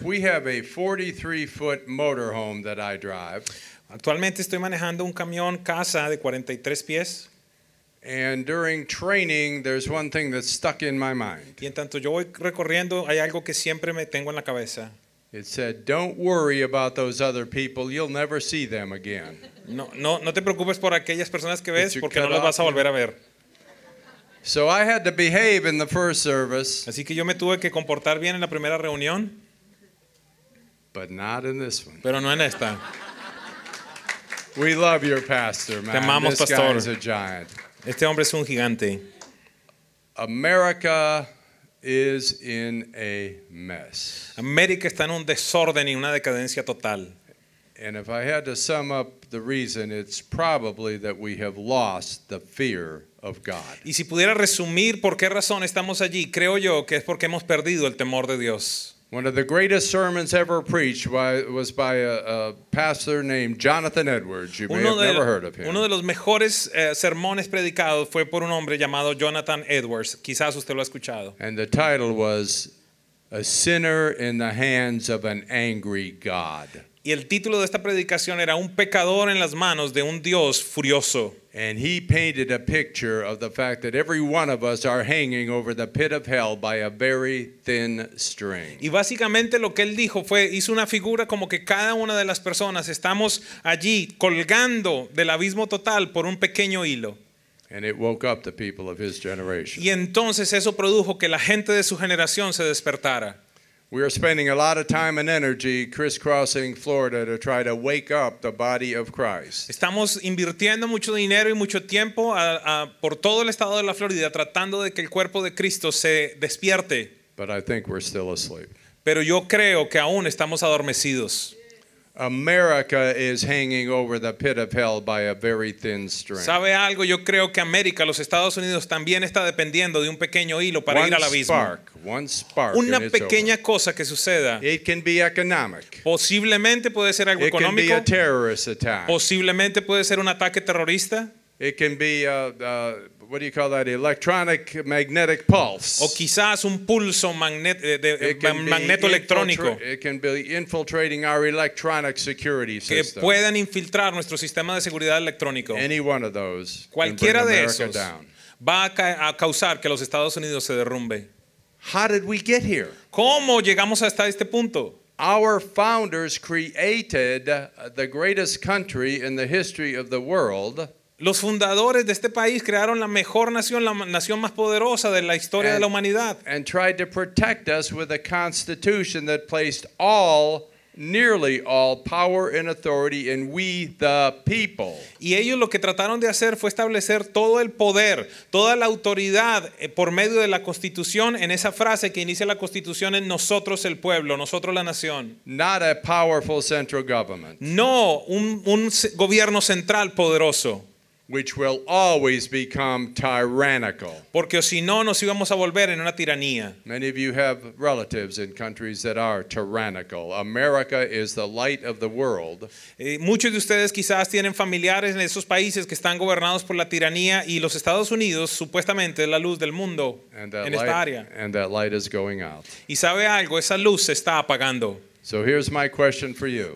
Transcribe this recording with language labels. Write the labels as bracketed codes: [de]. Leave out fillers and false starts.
[en] We have a 43-foot motorhome that I drive. [es] Actualmente estoy manejando un camión casa de 43 pies. [en] And during training, there's one thing that's stuck in my mind. [es] Y en tanto yo voy recorriendo, hay algo que siempre me tengo en la cabeza. [en] It said, "Don't worry about those other people. You'll never see them again." [es] No te preocupes por aquellas personas que ves, porque no las vas a volver a ver. [en] So I had to behave in the first service. [es] Así que yo me tuve que comportar bien en la primera reunión. [en] But not in this one. [es] Pero no en esta. [en] We love your pastor, man. [es] Te amamos, [en] this pastor. Guy is a giant. [es] Este hombre es un gigante. [en] America is in a mess. [es] América está en un desorden y una decadencia total. [en] And if I had to sum up the reason, it's probably that we have lost the fear of God. [es] Y si pudiera resumir por qué razón estamos allí, creo yo que es porque hemos perdido el temor de Dios. [en] One of the greatest sermons ever preached was by a pastor named Jonathan Edwards. You may have never heard of him. [es] Uno de los mejores sermones predicados fue por un hombre llamado Jonathan Edwards. Quizás usted lo ha escuchado. [en] And the title was "A Sinner in the Hands of an Angry God." [es] Y el título de esta predicación era "Un pecador en las manos de un Dios furioso." [en] And he painted a picture of the fact that every one of us are hanging over the pit of hell by a very thin string. [es] Y básicamente lo que él dijo fue, hizo una figura como que cada una de las personas estamos allí colgando del abismo total por un pequeño hilo. [en] And it woke up the people of his generation. [es] Y entonces eso produjo que la gente de su generación se despertara. [en] We are spending a lot of time and energy crisscrossing Florida to try to wake up the body of Christ. [es] Estamos invirtiendo mucho dinero y mucho tiempo por todo el estado de la Florida tratando de que el cuerpo de Cristo se despierte. [en] But I think we're still asleep. [es] Pero yo creo que aún estamos adormecidos. [en] America is hanging over the pit of hell by a very thin string. [es] ¿Sabe algo? Yo creo que América, los Estados Unidos, también está dependiendo de un pequeño hilo para ir al abismo. [en] One spark. [es] Una pequeña cosa que suceda. [en] It can be economic. [es] Posiblemente puede ser algo económico. [en] It can be a terrorist attack. [es] Posiblemente puede ser un ataque terrorista. [en] It can be what do you call that? Electronic magnetic pulse. [es] O quizás un pulso magneto electrónico. [en] It can be infiltrating our electronic security system. [es] Que puedan infiltrar nuestro sistema de seguridad electrónico. [en] Any one of those. [es] Cualquiera de esos va a causar que los Estados Unidos se derrumbe. [en] How did we get here? [es] ¿Cómo llegamos hasta este punto? [en] Our founders created the greatest country in the history of the world. [es] Los fundadores de este país crearon la mejor nación, la nación más poderosa de la historia de la humanidad. [en] And tried to protect us with a constitution that placed all, nearly all, power and authority in we the people. [es] Y ellos lo que trataron de hacer fue establecer todo el poder, toda la autoridad por medio de la constitución en esa frase que inicia la constitución en nosotros el pueblo, nosotros la nación. [en] Not a powerful central government. [es] No, un gobierno central poderoso. [en] Which will always become tyrannical. [es] Porque si no, nos íbamos a volver en una tiranía. [en] Many of you have relatives in countries that are tyrannical. America is the light of the world. [es] Muchos de ustedes quizás tienen familiares en esos países que están gobernados por la tiranía y los Estados Unidos supuestamente es la luz del mundo en esta área. [en] And that light is going out. [es] Y sabe algo, esa luz se está apagando. [en] So here's my question for you.